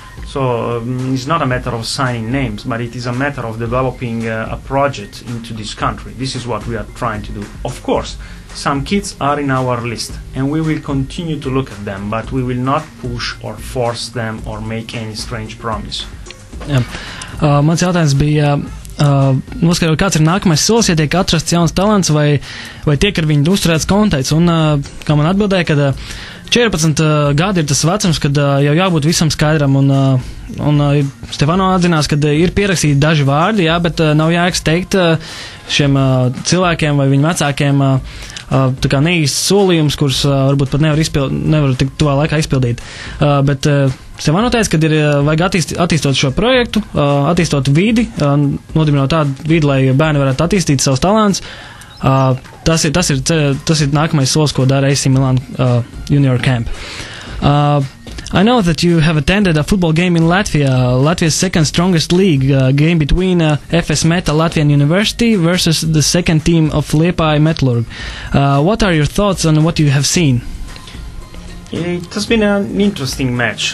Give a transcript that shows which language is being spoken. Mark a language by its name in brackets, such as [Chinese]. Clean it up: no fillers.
[English] So it's not a matter of signing names, but it is a matter of developing a project into this country. This is what we are trying to do. Of course, some kids are in our list and we will continue to look at them, but we will not push or force them or make any strange promise. Yeah. [Latvian] Mans jautājums bija, noskaidrot, kāds ir nākamais solis, ja tiek atrasts jauns talents vai tiek ar viņu uzturēts kontakts. Un, kā man atbildēja, ka 14 gadi ir tas vecums, kad jau jābūt visam skaidram. Un Stefano atzinās, ka ir pierakstīti daži vārdi, jā, bet nav jēgas teikt šiem cilvēkiem vai viņu vecākiem tā kā neīsts solījums, kurus varbūt pat nevar tik tuvā laikā izpildīt. Bet Sēm man noteica, ka ir vajag attīstot šo projektu, attīstot vidi, nodibinot tādu vidi, lai bērni varētu attīstīt savus talants. Tas ir nākamais solis, ko dara AC Milan Junior Camp. [English] I know that you have attended a football game in Latvia, Latvia's second strongest league, game between FS Meta Latvian University versus the second team of Liepāja Metalurg. What are your thoughts on what you have seen? It has been an interesting match.